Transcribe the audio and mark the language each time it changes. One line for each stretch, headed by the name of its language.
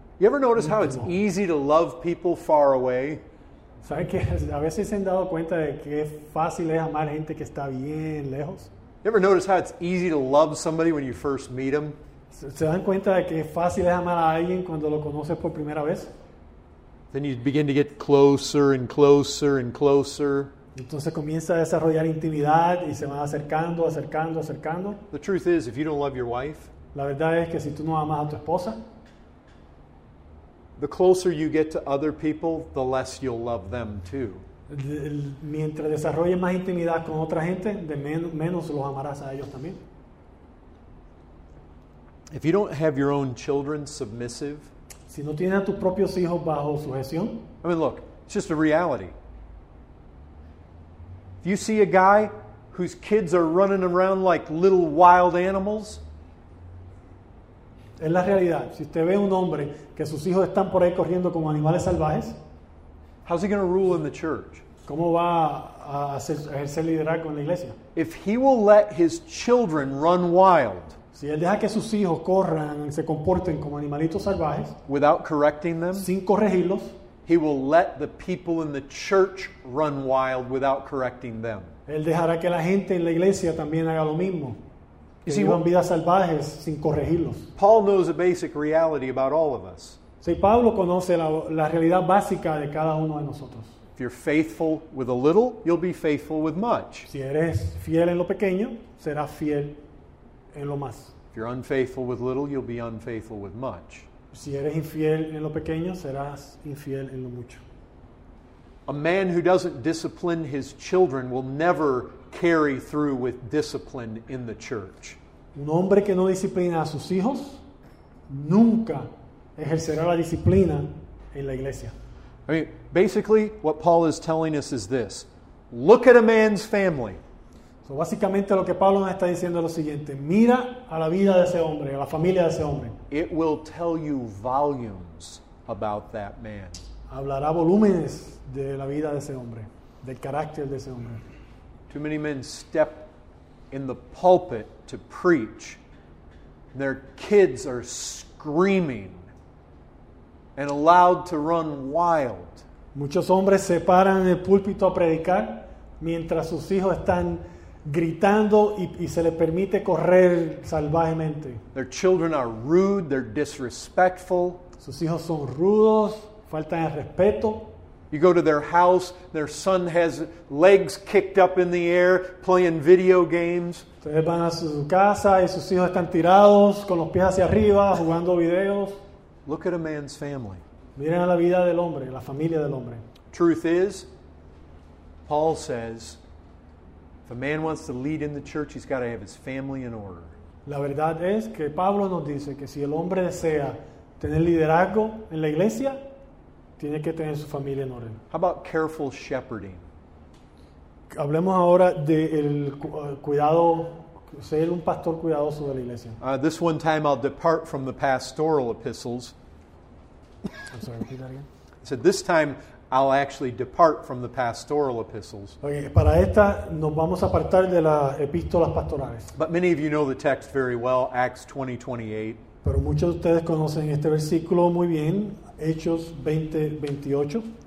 English: You ever notice how it's easy to love people far away?
Spanish: ¿Sabe que a veces se han dado cuenta de que es fácil amar gente que está bien lejos?
English: You ever notice how it's easy to love somebody when you first meet them?
Spanish: ¿Se dan cuenta de que es fácil amar a alguien cuando lo conoces por primera vez?
English: Then you begin to get closer and closer and closer.
Spanish: Entonces comienza a desarrollar intimidad y se van acercando, acercando, acercando.
English: The truth is, if you don't love your wife,
Spanish: la verdad es que si tú no amas a tu esposa,
English: the closer you get to other people, the less you'll love them too.
Spanish: Mientras desarrolles más intimidad con otra gente, de menos los amarás a ellos también.
English: If you don't have your own children submissive,
Spanish: si no tienes a tus propios hijos bajo sujeción,
English: I mean, look, it's just a reality. If you see a guy whose kids are running around like little wild animals,
Spanish: es la realidad. Si usted ve un hombre que sus hijos están por ahí corriendo como animales salvajes,
English: how's he going to rule in the church?
Spanish: ¿Cómo va a ejercer liderazgo en la iglesia?
English: If he will let his children run wild,
Spanish: si él deja que sus hijos corran y se comporten como animalitos salvajes,
English: without correcting them,
Spanish: sin corregirlos,
English: he will let the people in the church run wild without correcting them.
Spanish: Él dejará que la gente en la iglesia también haga lo mismo. que vivan vidas salvajes sin corregirlos.
English: Paul knows a basic reality about all of us.
Spanish: Sí, Pablo conoce la realidad básica de cada uno de nosotros.
English: If you're faithful with a little, you'll be faithful with much.
Spanish: Si eres fiel en lo pequeño, serás fiel en lo más.
English: If you're unfaithful with little, you'll be unfaithful with much.
Spanish: Si eres infiel en lo pequeño, serás infiel en lo mucho.
English: A man who doesn't discipline his children will never carry through with discipline in the church.
Spanish: Un hombre que no disciplina a sus hijos nunca ejercerá la disciplina en la iglesia.
English: I mean, basically, what Paul is telling us is this. Look at a man's family.
Spanish: So básicamente lo que Pablo nos está diciendo es lo siguiente. Mira a la vida de ese hombre, a la familia de ese hombre.
English: It will tell you volumes about that man.
Spanish: Hablará volúmenes de la vida de ese hombre, del carácter de ese hombre.
English: Too many men step in the pulpit to preach. Their kids are screaming and allowed to run wild.
Spanish: Muchos hombres se paran en el púlpito a predicar mientras sus hijos están gritando y se les permite correr salvajemente.
English: Their children are rude, they're disrespectful.
Spanish: Sus hijos son rudos, faltan el respeto.
English: You go to their house, their son has legs kicked up in the air playing video games.
Spanish: Ustedes van a su casa y sus hijos están tirados con los pies hacia arriba jugando videos.
English: Look at a man's family.
Spanish: Miren a la vida del hombre, la familia del hombre.
English: Truth is, Paul says, if a man wants to lead in the church, he's got to have his family in order.
Spanish: La verdad es que Pablo nos dice que si el hombre desea tener liderazgo en la iglesia, tiene que tener su familia en orden.
English: How about careful shepherding?
Spanish: Hablemos ahora del cuidado. Ser un pastor cuidadoso de la iglesia.
English: This one time I'll depart from the pastoral epistles. I'm sorry, repeat that again. I said this time I'll actually depart from the pastoral epistles.
Spanish: Okay, para esta nos vamos a apartar de las epístolas pastorales. But many of you know the text very well, Acts 20:28. Pero muchos de ustedes conocen este versículo muy bien, Hechos 20:28.